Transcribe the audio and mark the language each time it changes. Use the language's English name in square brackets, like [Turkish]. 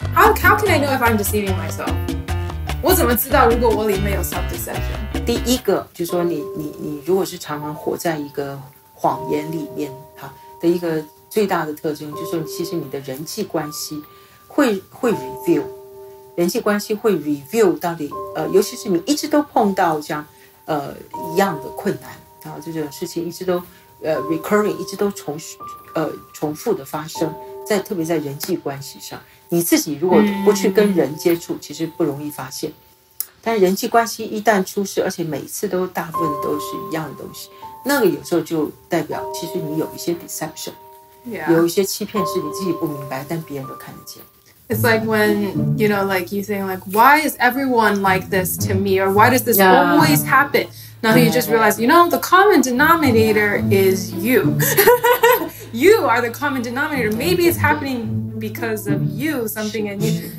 [English] How can I know if I'm deceiving myself? [Chinese] 我怎么知道如果我里面有 self-deception? 第一个就是说你如果是常常活在一个谎言里面，的一个最大的特征就是说，其实你的人际关系会 reveal，人际关系会 review 到底，尤其是你一直都碰到这样，一样的困难啊，这种事情一直都，recurring 一直都重复的发生，在特别在人际关系上，你自己如果不去跟人接触，其实不容易发现。但人际关系一旦出事，而且每次都大部分都是一样的东西，那个有时候就代表其实你有一些 deception， yeah，有一些欺骗是你自己不明白，但别人都看得见。 [English] It's like when you know, like you saying, like, why is everyone like this to me, or why does this yeah. always happen? Now you just realize, you know, the common denominator is you. You are the common denominator. Maybe it's happening because of you, something in you.